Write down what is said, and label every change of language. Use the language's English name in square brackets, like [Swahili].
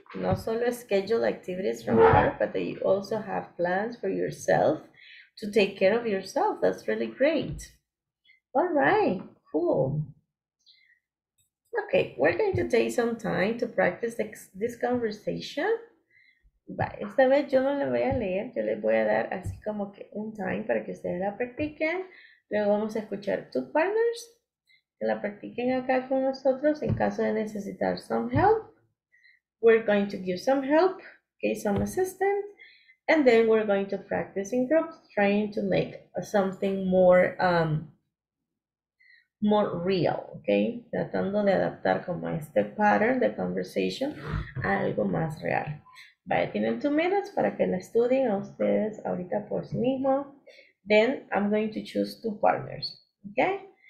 [English] Not solo schedule activities from work, but that you also have plans for yourself to take care of yourself. That's really great. All right, cool. Okay, we're going to take some time to practice this conversation. [Spanish] Esta vez yo no le voy a leer, yo les voy a dar así como que un time para que ustedes la practiquen. Luego vamos a escuchar [English] two partners [Spanish] que la practiquen acá con nosotros en caso de necesitar [English] some help. We're going to give some help, okay, some assistance. And then we're going to practice in groups trying to make something more, more real, okay? [Spanish] Tratando de adaptar como este pattern de conversation a algo más real. Vaya, tienen 2 minutes para que la estudien a ustedes ahorita por sí mismo. [English] Then I'm going to choose two partners, okay?